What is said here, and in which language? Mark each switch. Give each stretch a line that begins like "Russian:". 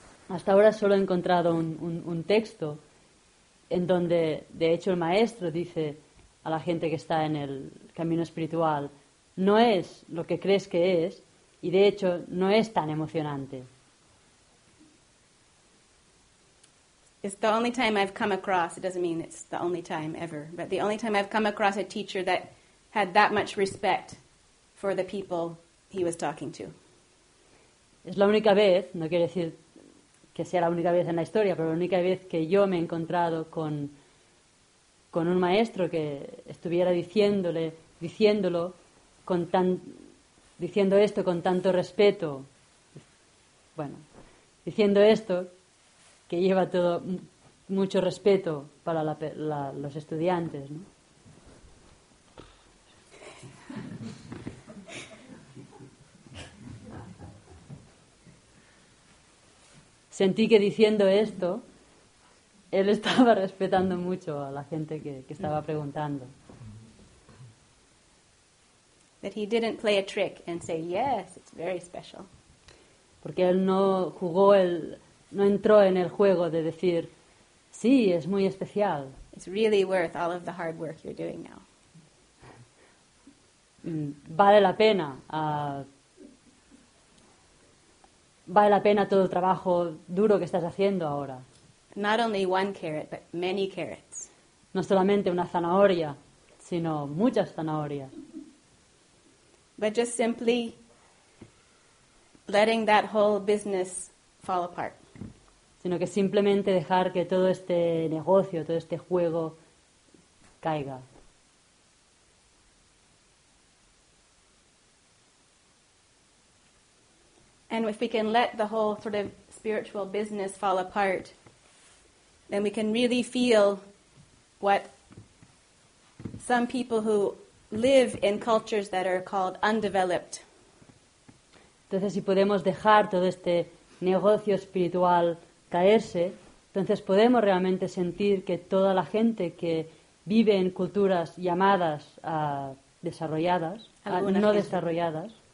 Spanish: Hasta ahora solo he encontrado un texto en donde, de hecho, el maestro dice a la gente que está en el camino espiritual, no es lo que crees que es, y de hecho, no es tan emocionante.
English: It's the only time I've come across, it doesn't mean it's the only time ever, but the only time I've come across a teacher that had that much respect for the people he was talking to.
Spanish: Es la única vez, no quiere decir que sea la única vez en la historia, pero la única vez que yo me he encontrado con un maestro que estuviera diciendo esto con tanto respeto, bueno, diciendo esto que lleva todo mucho respeto para los estudiantes, ¿no? Sentí que diciendo esto, él estaba respetando mucho a la gente que estaba preguntando.
English: That he didn't play a trick and say, yes, it's very special.
Spanish: Porque él no jugó no entró en el juego de decir, sí, es muy especial.
English: It's really worth all of the hard work you're doing now.
Spanish: Vale la pena. Vale la pena todo el trabajo duro que estás haciendo ahora.
English: Not only one carrot, but many carrots.
Spanish: No solamente una zanahoria, sino muchas zanahorias.
English: But just simply letting that whole business fall apart.
Spanish: Sino que simplemente dejar que todo este negocio, todo este juego caiga.
English: And if we can let the whole sort of spiritual business fall apart, then we can really feel what some people who live in cultures that are called undeveloped.
Spanish: Entonces, si podemos dejar todo este negocio espiritual caerse, entonces podemos realmente sentir que toda la gente que vive en culturas llamadas desarrolladas, no desarrolladas.